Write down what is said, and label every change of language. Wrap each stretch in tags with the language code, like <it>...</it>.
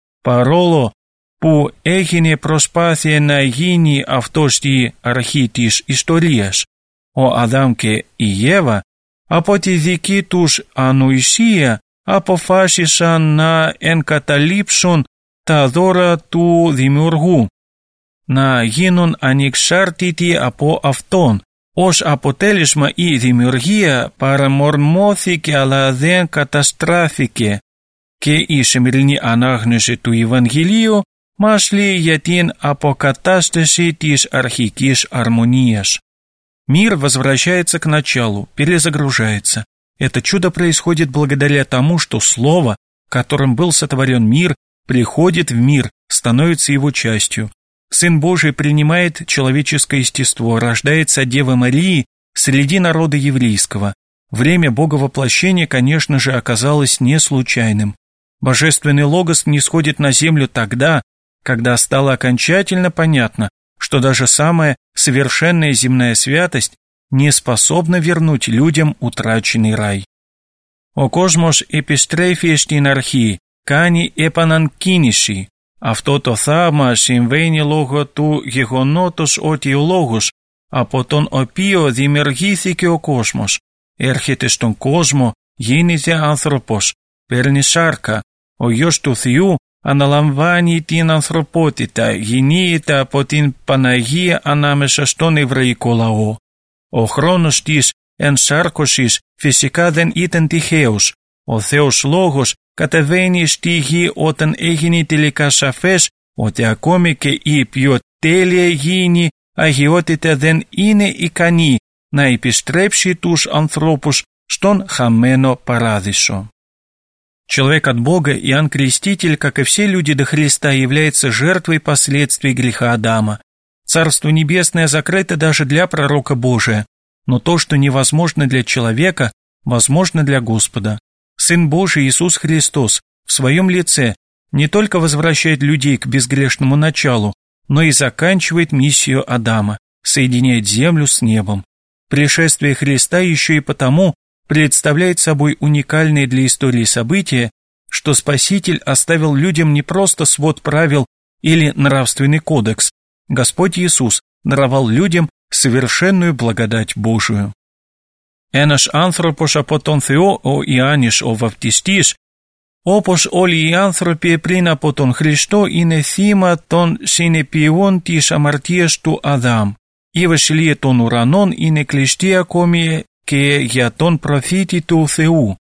<el>Παρόλο που έγινε προσπάθεια να γίνει αυτό στη αρχή της ιστορίας, ο Αδάμ και η Εύα από τη δική τους ανοησία αποφάσισαν να εγκαταλείψουν τα δώρα του Δημιουργού, να γίνουν ανεξάρτητοι από Αυτόν. Ως αποτέλεσμα η δημιουργία παραμορμώθηκε αλλά δεν καταστράφηκε. Και η σημερινή ανάγνωση του Ευαγγελίου μας λέει για την αποκατάσταση της αρχικής αρμονίας.</el> <ru>Мир возвращается к началу, перезагружается. Это чудо происходит благодаря тому, что Слово, которым был сотворен мир, приходит в мир, становится его частью. Сын Божий принимает человеческое естество, рождается от Девы Марии среди народа еврейского. Время Боговоплощения, конечно же, оказалось не случайным. Божественный Логос нисходит на землю тогда, когда стало окончательно понятно, что даже самая совершенная земная святость не способна вернуть людям утраченный рай.</ru> <el>«О космос эпистрефиэстин архи, кани эпананкиниши». Αυτό το θαύμα συμβαίνει λόγω του γεγονότος ότι ο λόγος από τον οποίο δημιουργήθηκε ο κόσμος έρχεται στον κόσμο, γίνεται άνθρωπος, παίρνει σάρκα, ο γιος του Θεού αναλαμβάνει την ανθρωπότητα, γεννείται από την Παναγία ανάμεσα στον εβραϊκό λαό. Ο χρόνος της ενσάρκωσης φυσικά δεν ήταν τυχαίος. Ο Θεός Λόγος κατεβαίνει στη γη όταν έγινε τελικά σαφές ότι ακόμη και η πιο τέλεια γήινη αγιότητα δεν είναι ικανή να επιστρέψει τους ανθρώπους στον χαμένο παράδεισο.</el> <ru>Человек от Бога, Иоанн Креститель, как и все люди до Христа, является жертвой последствий греха Адама. Царство Небесное закрыто даже для пророка Божия, но то, что невозможно для человека, возможно для Господа. Сын Божий Иисус Христос в Своем лице не только возвращает людей к безгрешному началу, но и заканчивает миссию Адама, соединяет землю с небом. Пришествие Христа еще и потому представляет собой уникальное для истории событие, что Спаситель оставил людям не просто свод правил или нравственный кодекс, Господь Иисус даровал людям совершенную благодать Божию.</ru> <el>Ένας άνθρωπος από τον Θεό, ο Ιωάννης ο Βαπτιστής, όπως όλοι οι άνθρωποι πριν από τον Χριστό, είναι θύμα των συνεπειών της αμαρτίας του Αδάμ. Η βασιλεία των ουρανών είναι κλειστή ακόμη και για τον προφήτη του Θεού.</el>